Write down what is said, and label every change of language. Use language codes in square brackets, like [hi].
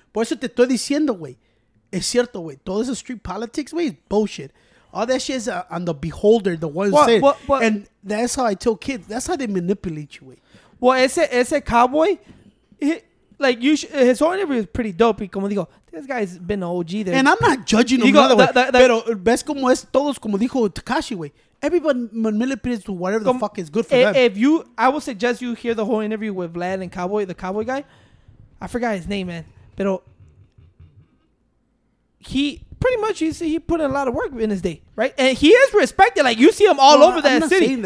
[es] Por eso te estoy diciendo, güey. Es cierto, güey. Todo ese [en] street politics, [es] güey, [en] is bullshit. All that shit is on the beholder, the one saying. And that's how I tell kids. That's how they manipulate you, güey. Well, [es] ese [en] cowboy, his whole interview is pretty dope. [es] Como digo, [en] this guy's been an OG there. And I'm not judging him, by the way. [es] Pero ves como es todos, como dijo Tekashi, güey. [en] Everybody manipulates to whatever the fuck is good for them. If you, I would suggest you hear the whole interview with Vlad and Cowboy, the Cowboy guy. I forgot his name, man. But he pretty much, he put in a lot of work in his day, right? And he is respected. Like, you see him all over that city.